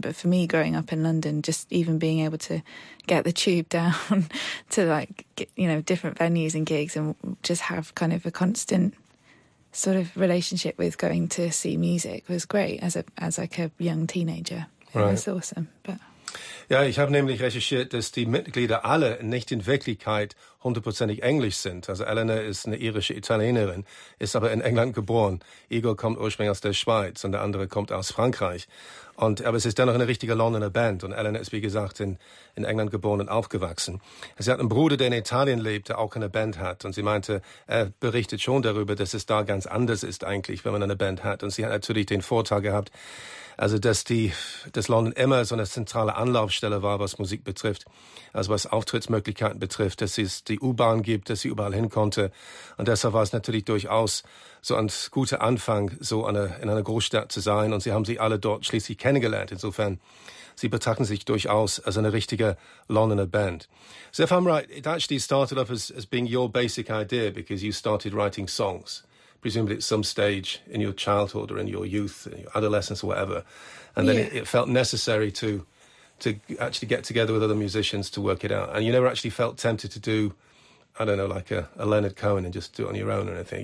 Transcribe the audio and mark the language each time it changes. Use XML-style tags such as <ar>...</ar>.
<en>But for me, growing up in London, just even being able to get the tube down to, like, you know, different venues and gigs and just have kind of a constant sort of relationship with going to see music was great as a young teenager. Right. It was awesome. But</en> <de>ja, ich habe nämlich recherchiert, dass die Mitglieder alle nicht in Wirklichkeit hundertprozentig Englisch sind. Also Elena ist eine irische Italienerin, ist aber in England geboren. Igor kommt ursprünglich aus der Schweiz und der andere kommt aus Frankreich. Aber es ist dennoch eine richtige Londoner Band. Und Elena ist, wie gesagt, in England geboren und aufgewachsen. Sie hat einen Bruder, der in Italien lebt, der auch eine Band hat. Und sie meinte, er berichtet schon darüber, dass es da ganz anders ist eigentlich, wenn man eine Band hat. Und sie hat natürlich den Vorteil gehabt, also dass London immer so eine zentrale Anlaufstelle war, was Musik betrifft, also was Auftrittsmöglichkeiten betrifft, dass es die U-Bahn gibt, dass sie überall hin konnte. Und deshalb war es natürlich durchaus so ein guter Anfang, so in einer Großstadt zu sein. Und sie haben sich alle dort schließlich kennengelernt. Insofern, sie betrachten sich durchaus als eine richtige Londoner Band.</de> <en>So if I'm right, it actually started off as being your basic idea, because you started writing songs. Presumably at some stage in your childhood or in your youth, your adolescence or whatever. And then it felt necessary to actually get together with other musicians to work it out. And you never actually felt tempted to do, I don't know, like a Leonard Cohen and just do it on your own or anything.</en>